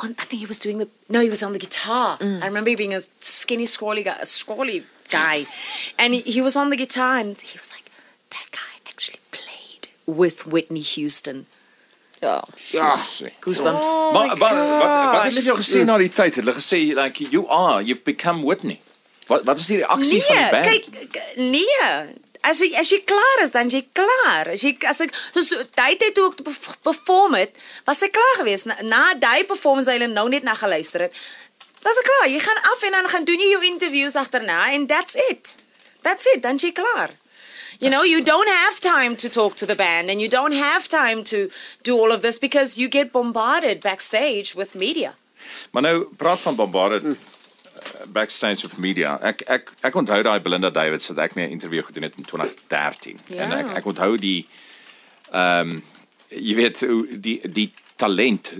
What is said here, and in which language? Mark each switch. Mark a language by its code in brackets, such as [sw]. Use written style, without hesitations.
[en] He was on the guitar. Mm. I remember he being a skinny, scrawly guy. And he was on the guitar and he was like, that guy actually played with Whitney Houston. Goosebumps. Oh, but what did you say now? [af] Die tyd? Hulle gesê, [en] like, you are, you've become Whitney. What is the reaction from the band? [af] Nee. As jy klaar is, dan jy klaar. As ek toe ek perform het, was ek klaar gewees. Na die performance, hy nou net na geluister het, was ek klaar. Jy gaan af en dan gaan doen jy jou interviews achterna en [en] that's it, [af] dan jy klaar. [en] You know, you don't have time to talk to the band and you don't have time to do all of this because you get bombarded backstage with media. [af] Maar nou, praat van bombarded backstage of media. Ek onthou daai Belinda Davids wat ek mee 'n interview gedoen het in 2013. Yeah. En ek onthou die jy weet die talent.